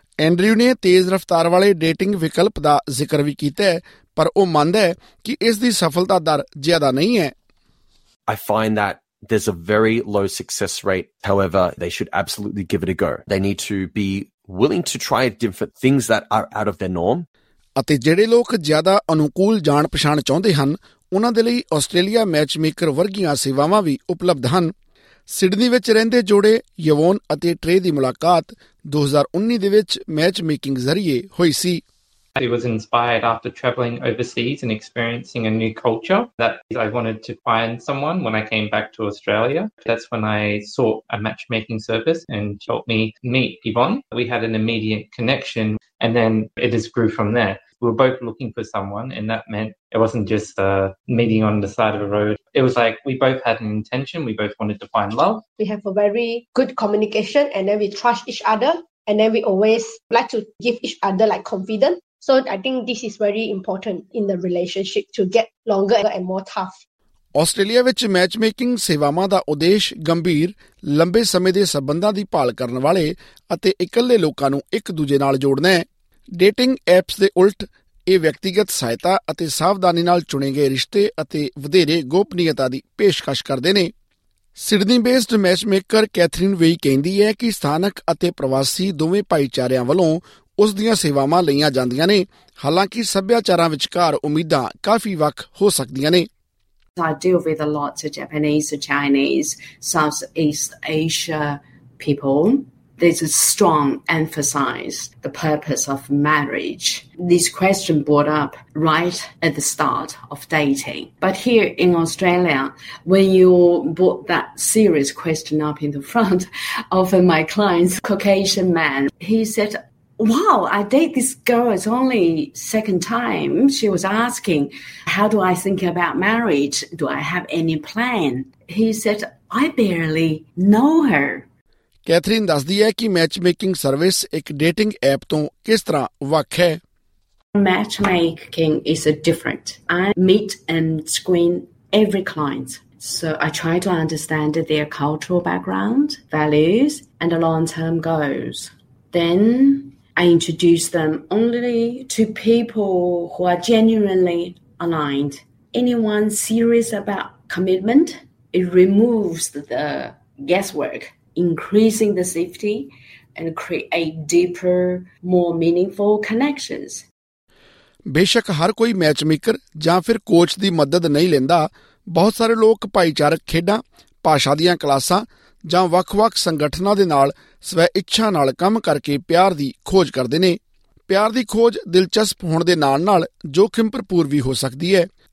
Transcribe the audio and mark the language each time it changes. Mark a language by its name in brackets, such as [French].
[Punjabi] Andrew ਨੇ ਤੇਜ਼ ਰਫ਼ਤਾਰ ਵਾਲੇ ਡੇਟਿੰਗ ਵਿਕਲਪ ਦਾ ਜ਼ਿਕਰ ਵੀ ਕੀਤਾ ਹੈ, ਪਰ ਉਹ ਮੰਨਦਾ ਹੈ ਕਿ ਇਸ ਦੀ ਸਫਲਤਾ ਦਰ ਜ਼ਿਆਦਾ ਨਹੀਂ ਹੈ. [English] I find that there's a very low success rate. However, they should absolutely give it a go. They need to be willing to try different things that are out of their norm. ਅਤੇ ਜਿਹੜੇ ਲੋਕ ਜ਼ਿਆਦਾ ਅਨੁਕੂਲ ਜਾਣ ਪਛਾਣ ਚਾਹੁੰਦੇ ਹਨ, ਉਹਨਾਂ ਦੇ ਲਈ ਆਸਟ੍ਰੇਲੀਆ ਮੈਚਮੇਕਰ ਵਰਗੀਆਂ ਸੇਵਾਵਾਂ ਵੀ ਉਪਲਬਧ ਹਨ. ਸਿਡਨੀ ਵਿੱਚ ਰਹਿੰਦੇ ਜੋੜੇ ਯਵੋਨ ਅਤੇ ਟ੍ਰੇ ਦੀ ਮੁਲਾਕਾਤ 2019 ਦੇ ਵਿੱਚ ਮੈਚਮੇਕਿੰਗ ਜ਼ਰੀਏ ਹੋਈ ਸੀ. It was inspired after traveling overseas and experiencing a new culture that I wanted to find someone when I came back to Australia. That's when I sought a matchmaking service and helped me meet Yvonne. We had an immediate connection and then it just grew from there. We were both looking for someone and that meant it wasn't just a meeting on the side of a road. It was like we both had an intention. We both wanted to find love. We have a very good communication and then we trust each other and then we always like to give each other like confidence. So I think this is very important in the relationship to get longer and more tough. [Punjabi] Australia ਵਿੱਚ ਮੈਚਮੇਕਿੰਗ ਸੇਵਾਵਾਂ ਦਾ ਉਦੇਸ਼ ਗੰਭੀਰ ਲੰਬੇ ਸਮੇਂ ਦੇ ਸਬੰਧਾਂ ਦੀ ਭਾਲ ਕਰਨ ਵਾਲੇ ਅਤੇ ਇਕੱਲੇ ਲੋਕਾਂ ਨੂੰ ਇੱਕ ਦੂਜੇ ਨਾਲ ਜੋੜਨਾ ਹੈ। ਡੇਟਿੰਗ ਐਪਸ ਦੇ ਉਲਟ ਇਹ ਵਿਅਕਤੀਗਤ ਸਹਾਇਤਾ ਅਤੇ ਸਾਵਧਾਨੀ ਨਾਲ ਚੁਣੇ ਗਏ ਰਿਸ਼ਤੇ ਅਤੇ ਵਧੇਰੇ ਗੋਪਨੀਯਤਾ ਦੀ ਪੇਸ਼ਕਸ਼ ਕਰਦੇ ਨੇ। ਸਿਡਨੀ ਬੇਸਡ ਮੈਚਮੇਕਰ ਕੈਥਰੀਨ ਵੇਈ ਕਹਿੰਦੀ ਹੈ ਕਿ ਸਥਾਨਕ ਅਤੇ ਪ੍ਰਵਾਸੀ ਦੋਵੇਂ ਭਾਈਚਾਰਿਆਂ ਵੱਲੋਂ ਉਸ ਦੀਆਂ ਸੇਵਾਵਾਂ ਲਈਆਂ ਜਾਂਦੀਆਂ ਨੇ, ਹਾਲਾਂਕਿ ਸੱਭਿਆਚਾਰਾਂ ਵਿਚਕਾਰ ਉਮੀਦਾਂ ਕਾਫੀ ਵੱਖ ਹੋ ਸਕਦੀਆਂ ਨੇ। [English] I deal with a lot of Japanese, Chinese, Southeast Asia people. There's a strong emphasis on the purpose of marriage. This question brought up right at the start of dating. But here in Australia, when you brought that serious question up in the front of my client's Caucasian man, he said, wow, I date this girl, it's only second time. She was asking, how do I think about marriage? Do I have any plan? He said, I barely know her. [Punjabi] Catherine ਦੱਸਦੀ ਹੈ ਕਿ ਮੈਚਮੇਕਿੰਗ service ਇੱਕ dating app ਤੋਂ ਕਿਸ ਤਰ੍ਹਾਂ ਵੱਖ ਹੈ। [English] Matchmaking is a different. I meet and screen every client. So I try to understand their cultural background, values and long-term goals. Then I introduce them only to people who are genuinely aligned. Anyone serious about commitment, it removes the guesswork, increasing the safety and create deeper, more meaningful connections. [Punjabi] ਬੇਸ਼ੱਕ ਹਰ ਕੋਈ ਮੈਚਮੇਕਰ ਜਾਂ ਫਿਰ coach ਦੀ ਮਦਦ ਨਹੀਂ ਲੈਂਦਾ। ਬਹੁਤ ਸਾਰੇ ਲੋਕ ਭਾਈਚਾਰਕ ਖੇਡਾਂ, ਭਾਸ਼ਾ ਦੀਆਂ ਕਲਾਸਾਂ ਜਾਂ ਵੱਖ-ਵੱਖ ਸੰਗਠਨਾਂ ਦੇ ਨਾਲ ਸਵੈ ਇੱਛਾ ਨਾਲ ਕੰਮ ਕਰਕੇ ਪਿਆਰ ਦੀ ਖੋਜ ਕਰਦੇ ਨੇ। ਪਿਆਰ ਦੀ ਖੋਜ ਦਿਲਚਸਪ ਹੋਣ ਦੇ ਨਾਲ ਨਾਲ ਜੋਖਿਮ ਭਰਪੂਰ ਵੀ ਹੋ ਸਕਦੀ ਹੈ।